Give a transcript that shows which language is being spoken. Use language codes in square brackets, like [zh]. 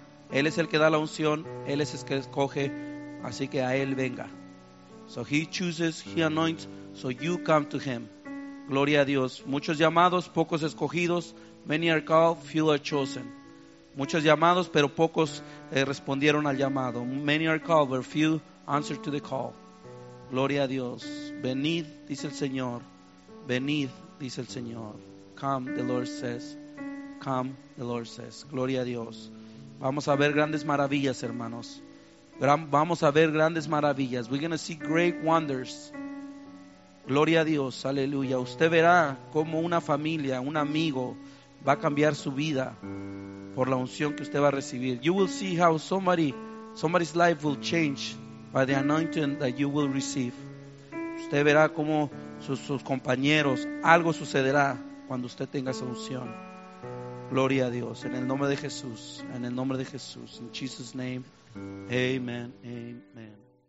[es] Él es el que da la unción, él es el que escoge, así que a él venga. [en] So he chooses, he anoints, so you come to him. [es] Gloria a Dios. Muchos llamados, pocos escogidos. [en] Many are called, few are chosen. [es] Muchos llamados, pero pocos respondieron al llamado. [en] Many are called, but few answer to the call. [es] Gloria a Dios. Venid, dice el Señor. Venid, dice el Señor. [en] Come, the Lord says. Come, the Lord says. [es] Gloria a Dios. Vamos a ver grandes maravillas, hermanos. Vamos a ver grandes maravillas. [en] We're going to see great wonders. [es] Gloria a Dios. Aleluya. Usted verá cómo una familia, un amigo, va a cambiar su vida por la unción que usted va a recibir. [en] You will see how somebody's life will change by the anointing that you will receive. [es] Usted verá cómo sus compañeros, algo sucederá cuando usted tenga esa unción. Gloria a Dios. En el nombre de Jesús. En el nombre de Jesús. [en] In Jesus' name. [es] Amen. Amen.